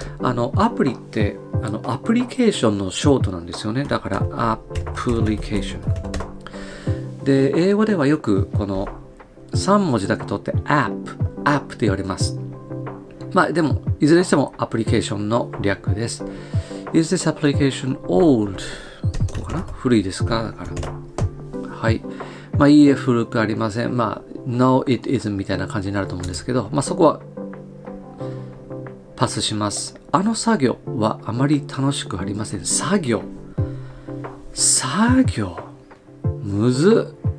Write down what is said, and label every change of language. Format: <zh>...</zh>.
<ja>アプリって、アプリケーションのショートなんですよね。だから、アプリケーション。で、英語ではよく、この3文字だけ取って、app って言われます。まあ、でも、いずれにしても、アプリケーションの略です。</ja> <en>Is this application old?</en> <ja>ここかな？古いですか？だから。はい。まあ、いいえ、古くありません。まあ、</ja> <en>no, it isn't</en> <ja>みたいな感じになると思うんですけど、まあ、そこは、パスします。あの作業はあまり楽しくありません。作業むず。</ja>